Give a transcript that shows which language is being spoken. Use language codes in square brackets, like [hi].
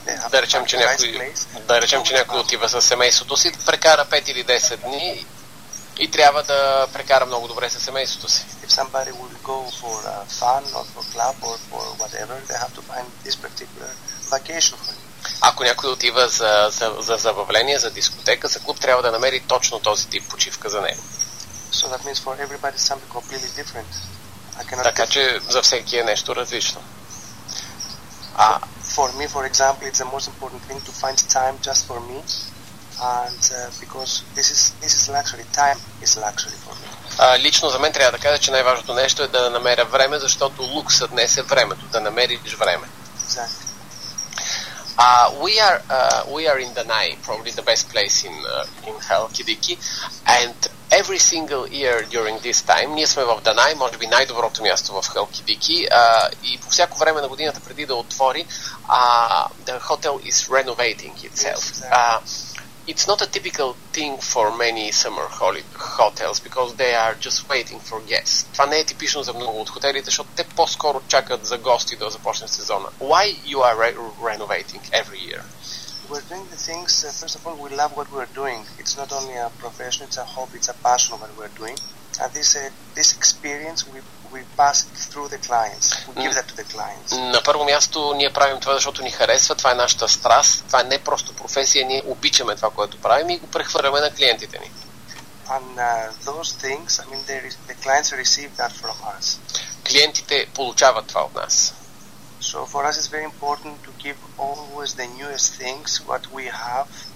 [bg] Да речем, че някой отива със семейството си, да прекара 5 или 10 дни и трябва да прекара много добре със семейството си. [en] If somebody would go for fun or for club or for whatever, they have to find this particular vacation for you. [bg] Ако някой отива за забавление, за дискотека, за клуб, трябва да намери точно този тип почивка за него. [en] So that means for everybody something completely different. [bg] Така че за всеки е нещо различно. [en] For me, for example, it's the most important thing to find time just for me. And because this is luxury. Time is luxury for me. [bg] Лично за мен трябва да кажа, че най-важното нещо е да намеря време, защото лукса днес е времето, да намериш време. [en] Exactly. We are in Danai, probably the best place in Халкидики, and every single year during this time, [bg] ние сме в Данай, може би най-доброто място в Халкидики, и по всяко време на годината преди да отвори, [en] the hotel is renovating itself. It's not a typical thing for many summer hotels because they are just waiting for guests. [bg] Това не е типично за много от хотелите, защото те по-скоро чакат за гости да започне сезона. [en] Why you are renovating every year? We're doing the things, first of all, we love what we're doing. It's not only a profession, it's a hobby, it's a passion what we're doing. And this experience we pass it through the clients. We give that to the clients. [bg] На първо място ние правим това, защото ни харесва, това е нашата страст, това не е просто професия, ние обичаме това, което правим и го прехвърляме на клиентите ни. [en] And those things, I mean, the clients receive that from us. [bg] Клиентите получават това от нас. [en] So for us it's very important to give always the newest things what we have